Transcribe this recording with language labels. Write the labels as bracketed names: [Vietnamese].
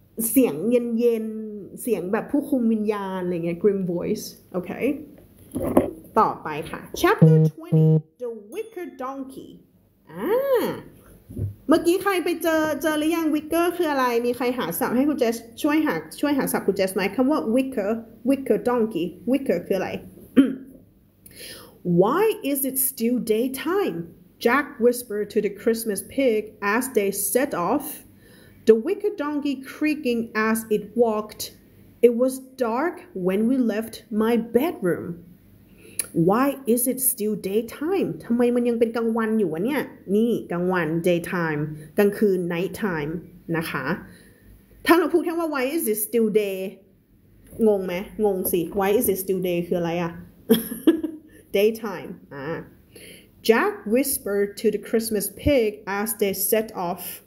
[Thai] เสียงเย็นๆเสียงแบบผู้คุมวิญญาณอะไรเงี้ย grim voice โอเคต่อไปค่ะ Chapter 20 The Wicker Donkey เมื่อกี้ใครไปเจอหรือยัง Wicker คืออะไรมีใครหาศัพท์ให้คุณเจสช่วยหาศัพท์คุณเจสไหมคำว่า Wicker Donkey Wicker คืออะไร [English] Why is it still daytime? Jack whispered to the Christmas pig as they set off The Wicker Donkey creaking as it walked It was dark when we left my bedroomWhy is it still daytime? [Thai] ทำไมมันยังเป็นกลางวันอยู่วะเนี่ยนี่กลางวัน daytime กลางคืน night time นะคะถ้าเราพูดแค่ว่า [English] why is it still day [Thai] งงไหมงงสิ why is it still day คืออะไรอะ daytime [English] Jack whispered to the Christmas pig as they set off